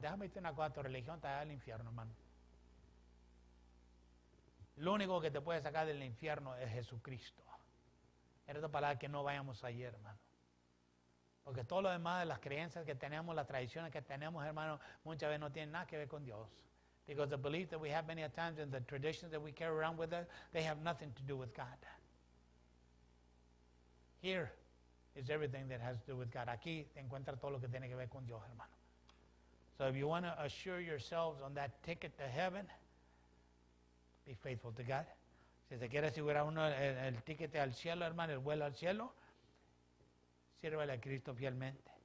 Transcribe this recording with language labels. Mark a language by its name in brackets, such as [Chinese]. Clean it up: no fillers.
[Spanish] Déjame decirte una cosa, tu religión te va al infierno, hermano. Lo único que te puede sacar del infierno es Jesucristo. En otras palabras, que no vayamos allí, hermano. Porque todo lo demás, las creencias que tenemos, las tradiciones que tenemos, hermano, muchas veces no tienen nada que ver con Dios. [English] Because the belief that we have many a times and the traditions that we carry around with us, they have nothing to do with God. Here is everything that has to do with God. [Spanish] Aquí encuentra todo lo que tiene que ver con Dios, hermano. [English] So if you want to assure yourselves on that ticket to heaven, be faithful to God. [Spanish] Si te quieres asegurar uno el ticket al cielo, hermano, el vuelo al cielo, sírvele a Cristo fielmente.